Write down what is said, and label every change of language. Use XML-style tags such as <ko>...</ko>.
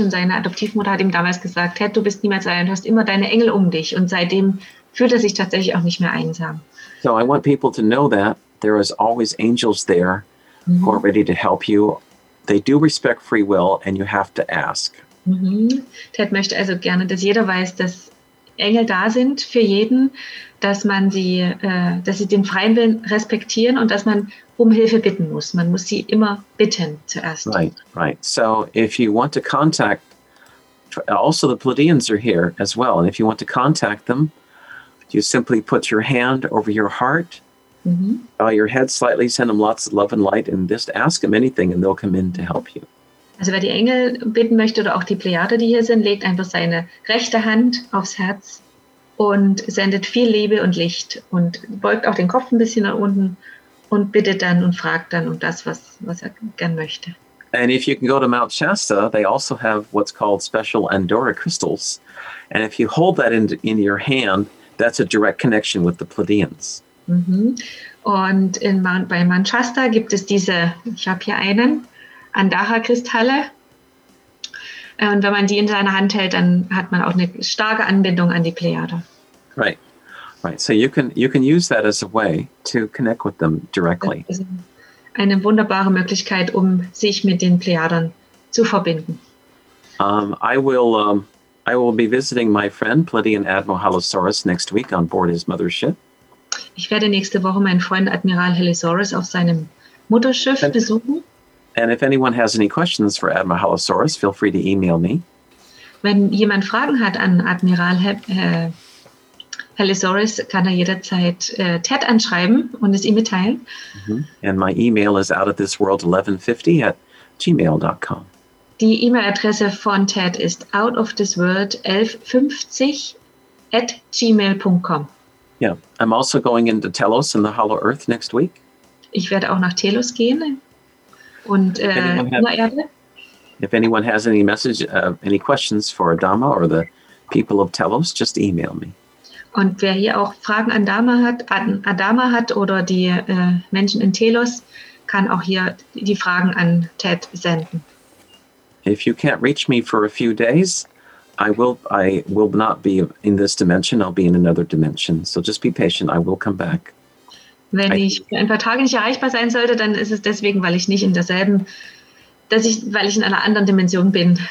<de>Und seine Adoptivmutter hat ihm damals gesagt, Ted, du bist niemals allein, du hast immer deine Engel um dich. Und seitdem fühlt er sich tatsächlich auch nicht mehr einsam.</de> <en>So I want people to know that there is always angels there who are ready to help you. They do respect free will and you have to ask. Mm-hmm.</en> <de>Ted möchte also gerne, dass jeder weiß, dass Engel da sind für jeden, dass man sie, dass sie den freien Willen respektieren und dass man um Hilfe bitten muss. Man muss sie immer bitten zuerst.</de> <en>Right, right. So if you want to contact, also the Pleiadians are here as well. And if you want to contact them, you simply put your hand over your heart, bow your head slightly, send them lots of love and light, and just ask them anything, and they'll come in to help you.</en> <de>Also wer die Engel bitten möchte oder auch die Plejade, die hier sind, legt einfach seine rechte Hand aufs Herz und sendet viel Liebe und Licht und beugt auch den Kopf ein bisschen nach unten und bittet dann und fragt dann um das, was er gern möchte.</de> <en>And if you can go to Mount Shasta, they also have what's called special Andorra crystals. And if you hold that in your hand, that's a direct connection with the Pleiadians. Mm-hmm.</en> <de>Und bei Mount Shasta gibt es diese, ich habe hier einen, Andara-Kristalle. Und wenn man die in seiner Hand hält, dann hat man auch eine starke Anbindung an die Plejade.</de> <en>Right. Right. So you can use that as a way to connect with them directly.</en> <de>Das ist eine wunderbare Möglichkeit, um sich mit den Plejaden zu verbinden.</de> <en>I will be visiting my friend Pleiadian Admiral Halosaurus next week on board his mother's ship.</en> <de>Ich werde nächste Woche meinen Freund Admiral Halosaurus auf seinem Mutterschiff besuchen.</de> <en>And if anyone has any questions for Admiral Halosaurus, feel free to email me.</en> <de>wenn jemand Fragen hat an Admiral Palisoris, kann er jederzeit Ted anschreiben und es ihm mitteilen.</de> <en>Mm-hmm. And my email is outofthisworld1150@gmail.com.</en> <de>Die E-Mail-Adresse von Ted ist outofthisworld1150@gmail.com.</de> <en>Yeah, I'm also going into Telos in the Hollow Earth next week.</en> <de>Ich werde auch nach Telos gehen und Erde.</de> <en>If anyone has any message, any questions for Adama or the people of Telos, just email me.</en> <de>Und wer hier auch Fragen an Adama hat oder die Menschen in Telos, kann auch hier die Fragen an Ted senden.</de> <en>If you can't reach me for a few days, I will not be in this dimension. I'll be in another dimension. So just be patient. I will come back.</en> <de>Wenn ich für ein paar Tage nicht erreichbar sein sollte, dann ist es deswegen, weil ich nicht in derselben, weil ich in einer anderen Dimension bin.</de>